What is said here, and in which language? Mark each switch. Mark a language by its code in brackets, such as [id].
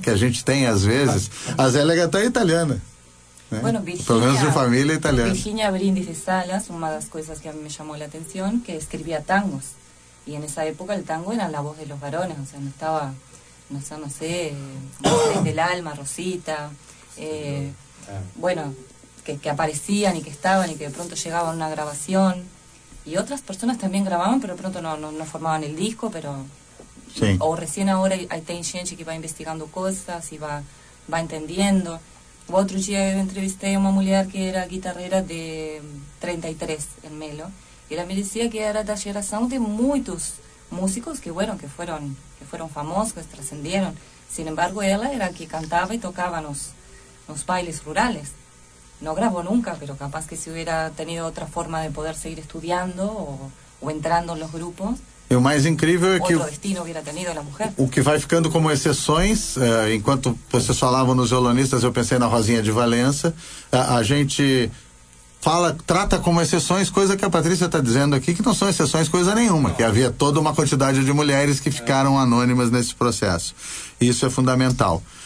[pt] Que a gente tem às vezes. A Zélia Gattai é italiana. Né? [es] Bueno, Virginia, [pt] pelo menos de família italiana. Virginia Brindisi Salas, uma das coisas que a mim me chamou a atenção, que escrevia tangos. E nessa época, o tango era a voz dos varões. Ou seja, não sei, Del Alma, Rosita. [es] Bueno. Que aparecían y que estaban y que de pronto llegaban a una grabación y otras personas también grababan pero de pronto no formaban el disco, pero sí. O recién ahora hay ten gente que va investigando cosas y va entendiendo. O otro día entrevisté a una mujer que era guitarrera de 33 en Melo y ella me decía que era de la generación de muchos músicos que bueno, que fueron famosos, que trascendieron, sin embargo ella era que cantaba y tocaba los bailes rurales. No grabó nunca, pero capaz que si hubiera tenido otra forma de poder seguir estudiando o entrando en los grupos. [pt] E o mais incrível é que outro [es] destino hubiera tenido la mujer. [pt] O que vai ficando como exceções, enquanto vocês falavam nos violonistas, eu pensei na Rosinha de Valença, a gente trata como exceções, coisa que a Patrícia está dizendo aqui, que não são exceções coisa nenhuma, que havia toda uma quantidade de mulheres que ficaram anônimas nesse processo. Isso é fundamental.